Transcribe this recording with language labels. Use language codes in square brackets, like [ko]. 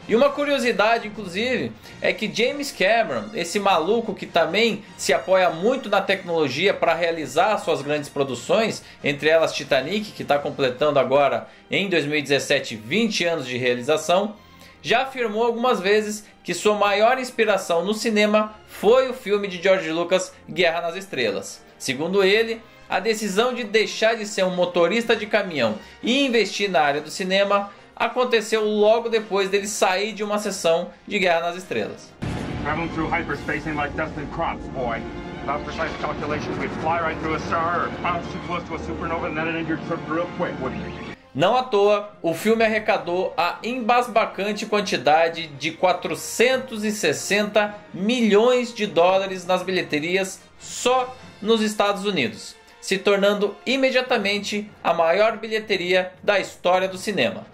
[pt] E uma curiosidade, inclusive, é que James Cameron, esse maluco que também se apoia muito na tecnologia para realizar suas grandes produções, entre elas Titanic, que está completando agora em 2017 20 anos de realização, já afirmou algumas vezes que sua maior inspiração no cinema foi o filme de George Lucas, Guerra nas Estrelas. Segundo ele, a decisão de deixar de ser um motorista de caminhão e investir na área do cinema aconteceu logo depois dele sair de uma sessão de Guerra nas Estrelas. [en] Traveling through hyperspace ain't like dusting crops, boy. Without precise calculations, we'd fly right through a star or bounce too close to a supernova and then end your trip real quick, wouldn't we? [pt] Não à toa, o filme arrecadou a embasbacante quantidade de 460 milhões de dólares nas bilheterias só nos Estados Unidos, se tornando imediatamente a maior bilheteria da história do cinema.